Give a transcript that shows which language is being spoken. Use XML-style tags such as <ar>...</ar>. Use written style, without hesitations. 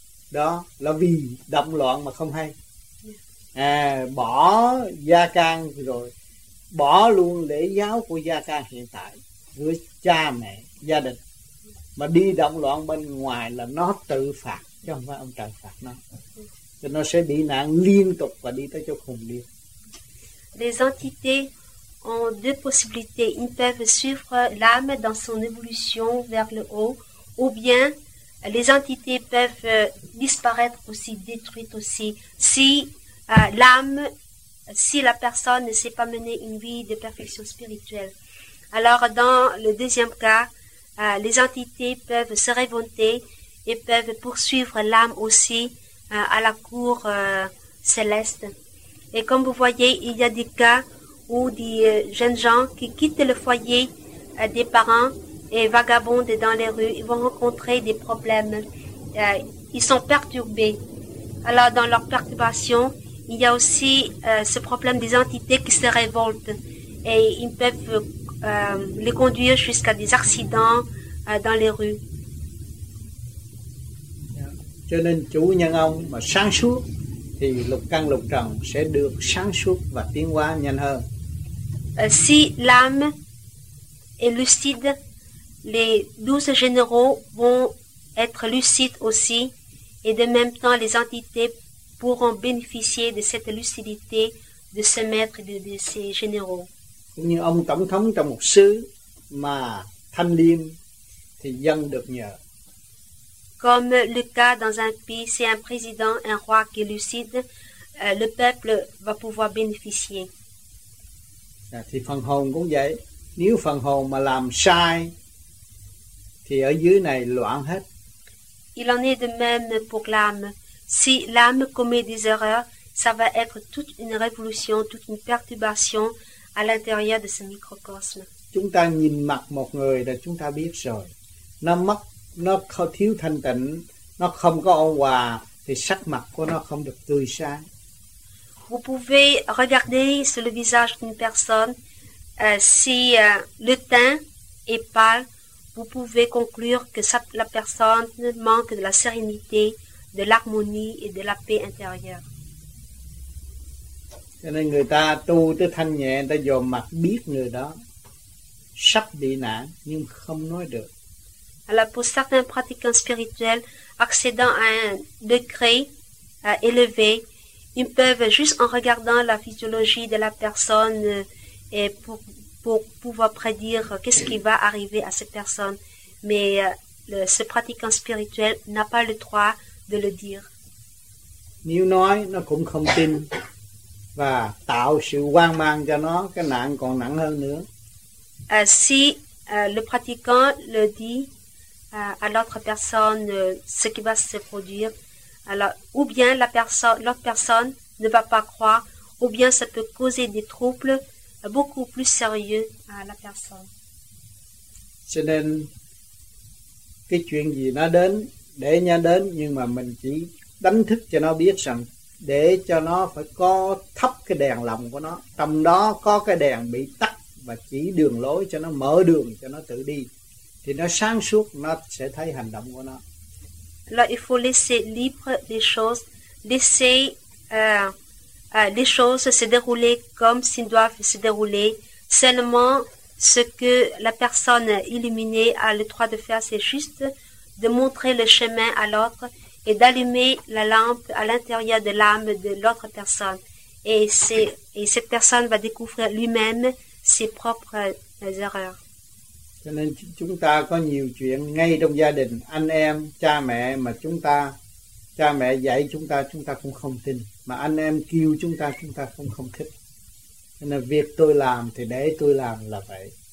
<vi>Đó là vì động loạn mà không hay. Bỏ gia can rồi, bỏ luôn lễ giáo của gia can hiện tại với cha mẹ, gia đình, mà đi động loạn bên ngoài là nó tự phạt, chứ không phải ông trời phạt nó. Cho nó sẽ bị nạn liên tục và đi tới chỗ khùng điên.</vi> <fr>Les entités ont deux possibilités. Ils peuvent suivre l'âme dans son évolution vers le haut, ou bien les entités peuvent disparaître aussi, détruites aussi. Si l'âme, si la personne ne sait pas mener une vie de perfection spirituelle. Alors, dans le deuxième cas, les entités peuvent se révolter et peuvent poursuivre l'âme aussi à la cour céleste. Et comme vous voyez, il y a des cas où des jeunes gens qui quittent le foyer des parents et vagabondent dans les rues, ils vont rencontrer des problèmes. Ils sont perturbés. Alors, dans leur perturbation, il y a aussi ce problème des entités qui se révoltent et ils peuvent les conduire jusqu'à des accidents dans les rues.</fr> <vi>Cho nên chủ nhân ông mà sáng suốt thì lục căn lục trần sẽ được sáng suốt và tiến hóa nhanh hơn.</vi> <fr>Si l'âme est lucide, les 12 généraux vont être lucides aussi et de même temps les entités pourront bénéficier de cette lucidité de ce maître et de ses généraux.</fr> <vi>Cũng như ông tổng thống trong một xứ mà thanh liêm thì dân được nhờ.</vi> <fr>Comme le cas dans un pays, c'est un président, un roi qui est lucide, le peuple va pouvoir bénéficier.</fr> <vi>Thì phần hồn cũng vậy. Nếu phần hồn mà làm sai, thì ở dưới này loạn hết.</vi> <fr>Il en est de même pour l'âme. Si l'âme commet des erreurs, ça va être toute une révolution, toute une perturbation à l'intérieur de ce microcosme.</fr> <vi>Chúng ta nhìn mặt một người là chúng ta biết rồi. Nam mắt nó thiếu thanh tịnh, nó không có ôn hòa thì sắc mặt của nó không được tươi sáng.</vi> <fr>Vous pouvez regarder sur le visage d'une personne si le teint est pâle, vous pouvez conclure que la personne manque de la sérénité, de l'harmonie et de la paix intérieure.</fr> <vi>Cho nên người ta tu tới thanh nhẹ, người ta dòm mặt biết người đó sắp bị nạn nhưng không nói được.</vi> <fr>Alors, pour certains pratiquants spirituels accédant à un degré élevé, ils peuvent juste en regardant la physiologie de la personne et pour pouvoir prédire qu'est-ce qui va arriver à cette personne. Mais ce pratiquant spirituel n'a pas le droit de le dire.</fr> <vi>Nếu nói, nó cũng không tin và tạo sự hoang mang cho nó, cái nạn còn nặng hơn nữa.</vi> <fr>Si le pratiquant le dit à l'autre personne ce qui va se produire, alors ou bien l'autre personne ne va pas croire, ou bien ça peut causer des troubles beaucoup plus sérieux à la personne.</fr> <vi>Cho nên cái chuyện gì nó đến để nó đến, nhưng mà mình chỉ đánh thức cho nó biết rằng để cho nó phải có thắp cái đèn lòng của nó, trong đó có cái đèn bị tắt và chỉ đường lối cho nó, mở đường cho nó tự đi. Thì nó sáng suốt, nó sẽ thấy hành động của nó.</vi> <fr>Là, il faut laisser libre les choses, laisser les choses se dérouler comme s'ils doivent se dérouler. Seulement, ce que la personne illuminée a le droit de faire, c'est juste de montrer le chemin à l'autre et d'allumer la lampe à l'intérieur de l'âme de l'autre personne. Et cette personne va découvrir lui-même ses propres erreurs.</fr> <vi>Cho nên chúng ta có nhiều chuyện ngay trong gia đình, anh em, cha mẹ mà cha mẹ dạy chúng ta cũng không tin. Mà anh em kêu chúng ta cũng không thích. Cho nên việc tôi làm thì để tôi làm là vậy.</vi>